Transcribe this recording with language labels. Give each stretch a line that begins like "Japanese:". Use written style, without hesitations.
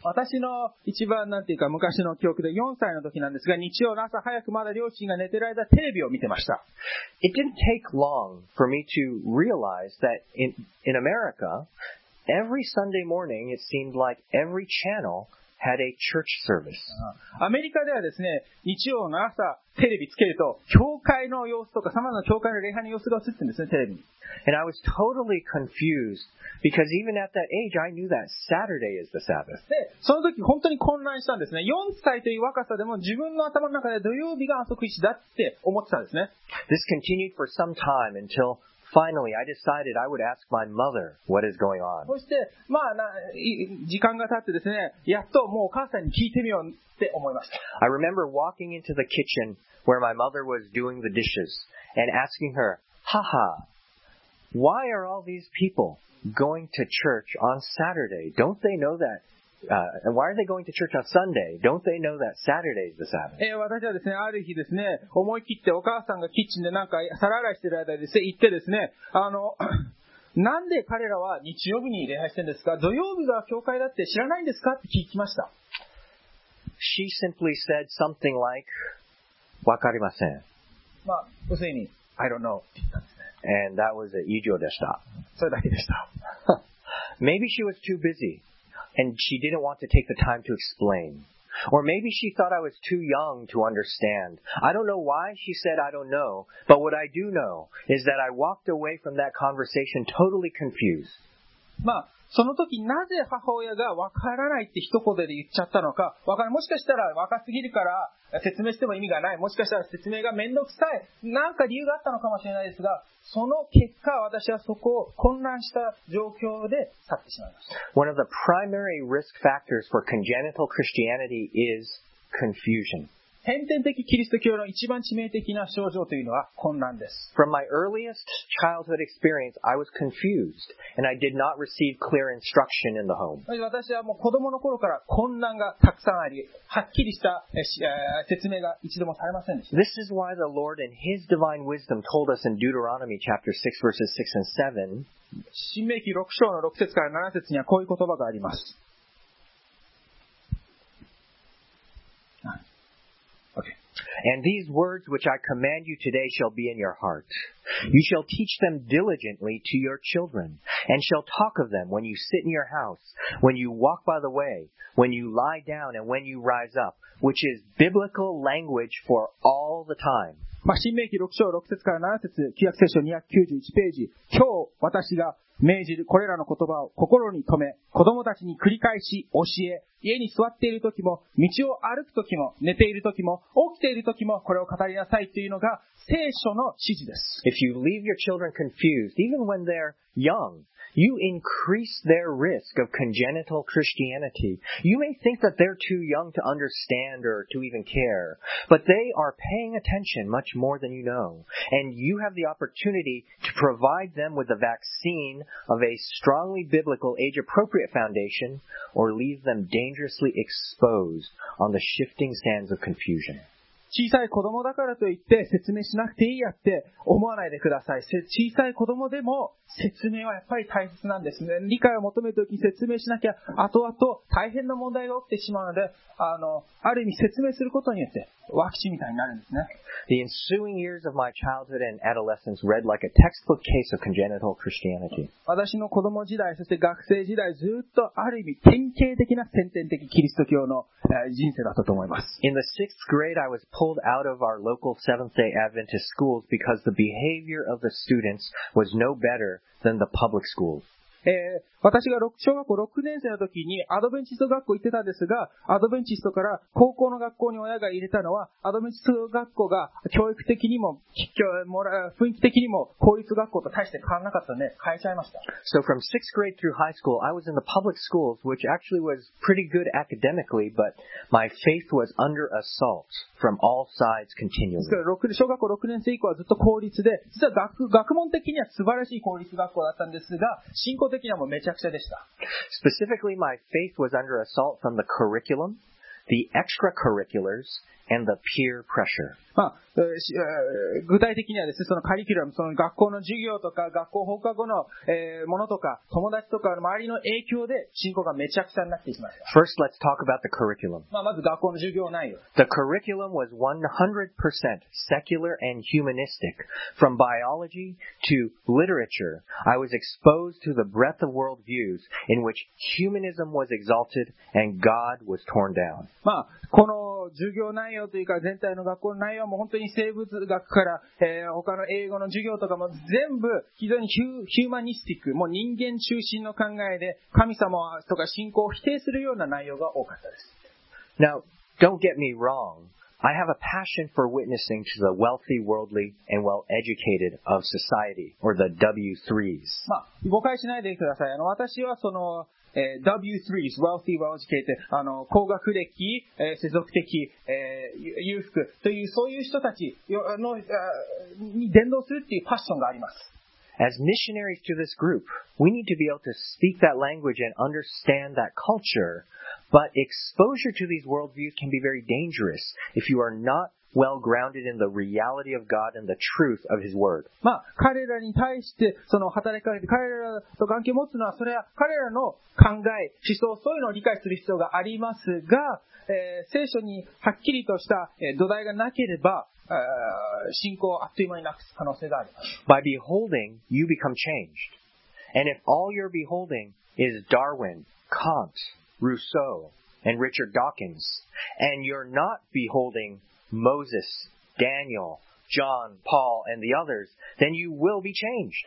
Japanese: 私の一番なんていうか昔の記憶で4歳の時なんですが、日曜の朝早くまだ両親が寝てる間テレビを見てました。
English: It didn't take long for me to realize that in America, every Sunday morning it seemed like every channel. Had a church service.
Japanese: アメリカではですね、日曜の朝テレビつけると教会の様子とか様々な教会の礼拝の様子が映ってるんですね、テレビに。
English: And I was totally confused because even at that age, I knew that Saturday is the Sabbath.
Japanese: で、その時本当に混乱したんですね。4歳という若さでも自分の頭の中で土曜日が安息日だって思ってたんですね。
English: This continued for some time until. Finally, I decided I would ask my mother what is going on.
Japanese: そして、まあ、時間が経ってですね、やっともうお母さんに聞いてみようって思いました。
English: I remember walking into the kitchen where my mother was doing the dishes and asking her, Haha, why are all these people going to church on Saturday? Don't they know that? Why are they going to church on Sunday? Don't they know that Saturday is the Sabbath?
Japanese: 私はですね、ある日ですね、思い切ってお母さんがキッチンでなんか皿洗いしてる間にですね、行ってですね、なんで彼らは日曜日に礼拝してるんですか？土曜日が教会だって知らないんですか？って聞きました。
English: She simply said something like,
Japanese: わかりません。まあ、要するに、
English: I don't know
Japanese: って言ったんですね。
English: And that was it.
Japanese: 以上でした。それだけでした。
English: Maybe she was too busy. And she didn't want to take the time to explain. Or maybe she thought I was too young to understand. I don't know why she said I don't know, but what I do know is that I walked away from that conversation totally confused.
Japanese: まあ、その時なぜ母親がわからないって一言で言っちゃったのか、わからない。もしかしたら若すぎるから説明しても意味がない。もしかしたら説明が面倒くさい。なんか理由があったのかもしれないですが、その結果、私はそこを混乱した状況で去ってしまいました。
English: One of the primary risk factors for congenital Christianity is confusion.
Japanese: 先天的キリスト教の一番致命的な症状というのは混乱です。
English: From my earliest childhood experience, I was confused, and I did not receive clear instruction in the home.
Japanese: 私はもう子供の頃から混乱がたくさんあり、はっきりした説明が一度もされませんでした。
English: This is why the Lord in His divine wisdom told us in Deuteronomy chapter 6 verses 6 and 7,
Japanese: 新命記6章の6節から7節にはこういう言葉があります。
English: And these words which I command you today shall be in your heart. You shall teach them diligently to your children, and shall talk of them when you sit in your house, when you walk by the way, when you lie down, and when you rise up, which is biblical language for all the time.
Japanese: まあ、新命記6章6節から7節、旧約聖書291ページ。今日私が命じるこれらの言葉を心に留め、子供たちに繰り返し教え、家に座っている時も、道を歩く時も、寝ている時も、起きている時もこれを語りなさいというのが聖書の指示です。
English: If you leave your children confused, even when they're young,You increase their risk of congenital Christianity. You may think that they're too young to understand or to even care, but they are paying attention much much more than you know. And you have the opportunity to provide them with the vaccine of a strongly biblical, age-appropriate foundation, or leave them dangerously exposed on the shifting sands of confusion.
Japanese: 小さい子供だからといって説明しなくていいやって思わないでください。小さい子供でも説明はやっぱり大切なんですね。理解を求めるときに説明しなきゃ後々大変な問題が起きてしまうので、ある意味説明することによってワクチンみたいになるんですね。
English: The ensuing years of my childhood and adolescence read like a textbook case of congenital Christianity.
Japanese: 私の子供時代、そして学生時代、ずっとある意味典型的な先天的キリスト教の人生だったと思います。
English: In the sixth grade, I was pulled out of our local Seventh-day Adventist schools because the behavior of the students was no better than the public schools.
Japanese: 私が小学校6年生の時にアドベンチスト学校行ってたんですが、アドベンチストから高校の学校に親が入れたのは、アドベンチスト学校が教育的にも、雰囲気的にも公立学校と大して変わらなかったので、変えちゃいました。
English: So from 6th grade through high school, I was in the public schools, which actually was pretty good academically, but my faith was under assault from all sides continually.
Japanese: 小学校6年生以降はずっと公立で、実は 学問的には素晴らしい公立学校だったんですが、信仰的にはもうめちゃくちゃでした。
English: Specifically, my faith was under assault from the curriculum, the extracurriculars, and the peer pressure.
Japanese: まあ、具体的にはですね、そのカリキュラム、その学校の授業とか、学校放課後の、ものとか、友達とか、周りの影響で、信仰がめちゃくちゃになってしまいました。
English: First, let's talk about the curriculum.
Japanese: まあ、まず学校の授業内容。
English: The curriculum was 100% secular and humanistic. From biology to literature, I was exposed to the breadth of worldviews in which humanism was exalted and God was torn down.
Japanese: まあ、この授業内容というか、全体の学校の内容も本当に生物学から、他の英語の授業とかも全部非常にヒューマニスティック、もう人間中心の考えで、神様とか信仰を否定するような内容が多かったです。
English: Now, don't get me wrong. I have a passion for witnessing to the wealthy, worldly, and well-educated of society, or the W3s.
Japanese: まあ、誤解しないでください。私はその、W3s,
English: wealthy, well-educated,
Japanese: 高学歴、世俗的、裕福という、そういう人たちの、に伝道するっていうパッションがあります。
English: As missionaries to this group, we need to be able to speak that language and understand that culture, but exposure to these worldviews can be very dangerous if you are not well grounded in the reality of God and the truth of His Word.
Japanese: まあ、彼らに対してその働きかけて、彼らと関係を持つのは、それは彼らの考え、思想、そういうのを理解する必要がありますが、聖書にはっきりとした、土台がなければ、信仰をあっという間になくす可能性があります。
English: By beholding, you become changed. And if all you're beholding is Darwin, Kant, Rousseau, and Richard Dawkins, and you're not beholding Moses, Daniel, John, Paul, and the others, then you will be changed.